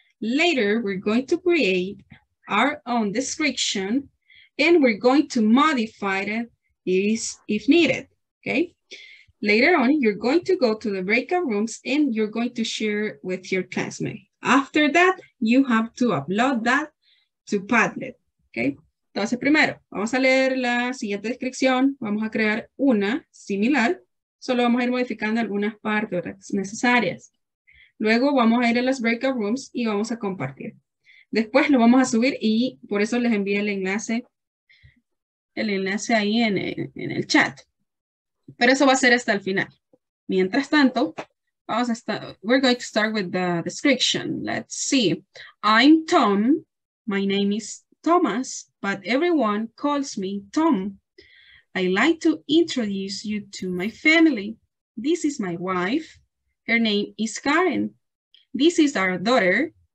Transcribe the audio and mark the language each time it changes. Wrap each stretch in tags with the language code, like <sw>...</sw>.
<en>Later, we're going to create our own description and we're going to modify it if needed, okay? Later on, you're going to go to the breakout rooms and you're going to share with your classmate. After that, you have to upload that to Padlet, okay?</en> <es>Entonces, primero, vamos a leer la siguiente descripción. Vamos a crear una similar. Solo vamos a ir modificando algunas partes necesarias. Luego vamos a ir a las breakout rooms y vamos a compartir. Después lo vamos a subir y por eso les envié el enlace ahí en el chat. Pero eso va a ser hasta el final. Mientras tanto,</es> <en>we're going to start with the description. Let's see. I'm Tom. My name is Thomas, but everyone calls me Tom. I like to introduce you to my family. This is my wife. Her name is Karen. This is our daughter.</en>